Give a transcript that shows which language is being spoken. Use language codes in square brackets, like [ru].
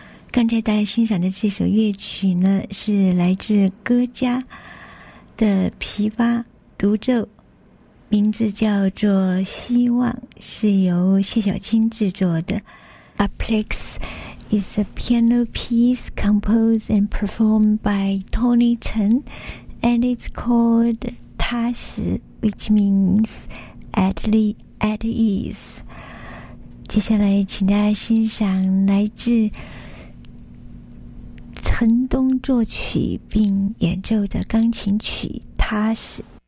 [zh] 刚才大家欣赏的这首乐曲呢，是来自歌家的琵琶独奏，名字叫做《希望》，是由谢小青制作的。 [en] Aplex is a piano piece composed and performed by Tony Chen, and it's called踏实, which means at ease. [zh] 接下来请大家欣赏来自陈东作曲并演奏的钢琴曲踏实。